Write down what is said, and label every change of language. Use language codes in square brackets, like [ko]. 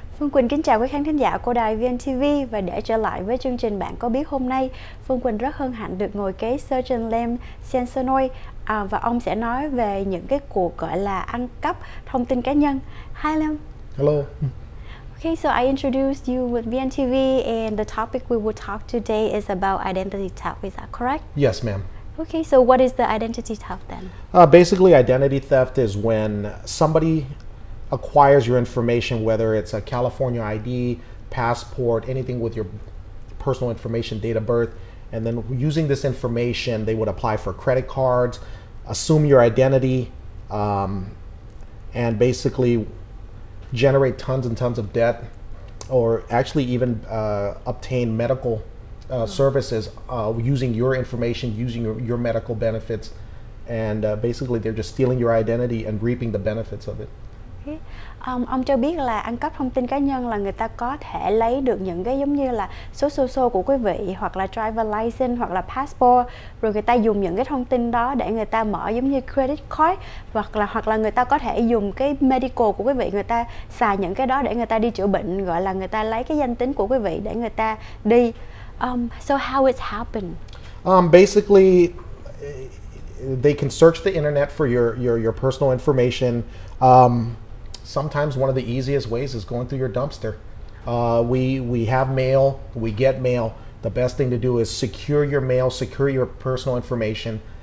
[vi] Phương Quỳnh kính chào quý khán thính giả của đài VNTV và đã trở lại với chương trình Bạn Có Biết hôm nay. Phương Quỳnh rất hân hạnh được ngồi kế Surgeon Lem Sainsanoy và ông sẽ nói về những cái cuộc gọi là ăn cắp thông tin cá nhân. [en] Hi Lem. Hello. Okay, so I introduced you with VNTV and the topic we will talk today is about identity theft, is that correct? Yes, ma'am. Okay, so what is the identity theft then? Basically, identity theft is when somebody acquires your information, whether it's a California ID, passport, anything with your personal information, date of birth, and then using this information, they would apply for credit cards, assume your identity, and basically generate tons and tons of debt, or actually even obtain medical services using your information, using your medical benefits, and basically they're just stealing your identity and reaping the benefits of it. [vi] Ông cho biết là ăn cắp thông tin cá nhân là người ta có thể lấy được những cái giống như là số social của quý vị hoặc là driver license hoặc là passport, rồi người ta dùng những cái thông tin đó để người ta mở giống như credit card hoặc là người ta có thể dùng cái medical của quý vị, người ta xài những cái đó để người ta đi chữa bệnh, gọi là người ta lấy cái danh tính của quý vị để người ta đi. [en] So how it happened? Basically they can search the internet for your personal information. Sometimes one of the easiest ways is going through your dumpster. We have mail, we get mail. The best thing to do is secure your mail, secure your personal information.